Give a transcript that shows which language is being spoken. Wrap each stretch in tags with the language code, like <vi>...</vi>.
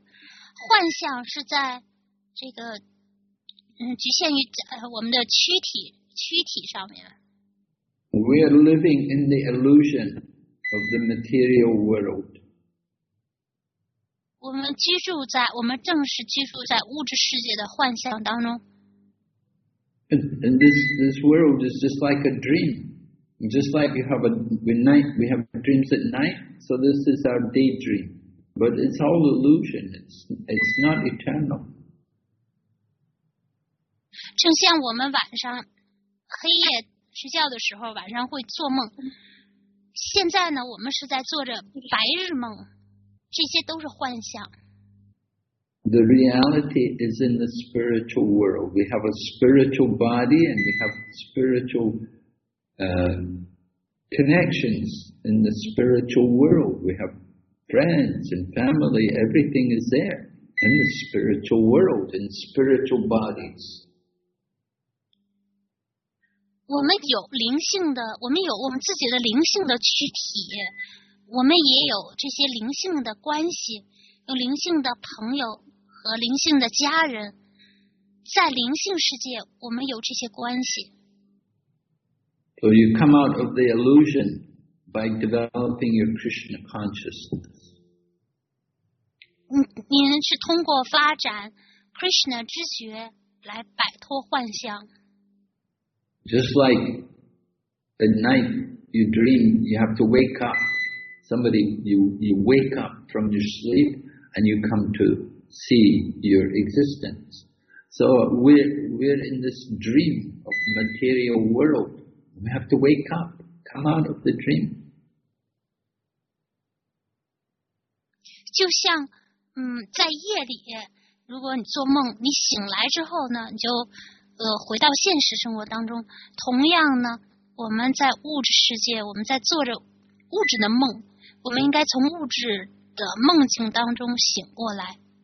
<zh>幻象是在这个局限于我们的躯体上面。</zh> <en>We are living in the illusion of the material world.</en> <zh>我们正是居住在物质世界的幻象当中。</zh> <en>And this world is just like a dream. Just like we have dreams at night, so this is our daydream. But it's all illusion. It's not eternal.</en> <zh>正像我们晚上黑夜睡觉的时候，晚上会做梦。现在呢，我们是在做着白日梦，这些都是幻象。</zh> <en>The reality is in the spiritual world. We have a spiritual body and we have spiritual connections in the spiritual world. We have friends and family, everything is there in the spiritual world, in spiritual bodies.</en> <zh>我们有灵性的，我们有我们自己的灵性的躯体，我们也有这些灵性的关系，有灵性的朋友。和灵性的家人，在灵性世界，我们有这些关系。</zh> <en>So you come out of the illusion by developing your Krishna consciousness.</en> <zh>您是通过发展 Krishna 知觉来摆脱幻象。</zh> <en>Just like at night you dream, you have to wake up. Somebody, you wake up from your sleep and you come to. See your existence. So we're in this dream of material world. We have to wake up, come out of the dream.</en> <zh>就像在夜里，如果你做梦，你醒来之后呢，你就回到现实生活当中。同样呢，我们在物质世界，我们在做着物质的梦，我们应该从物质的梦境当中醒过来。</zh>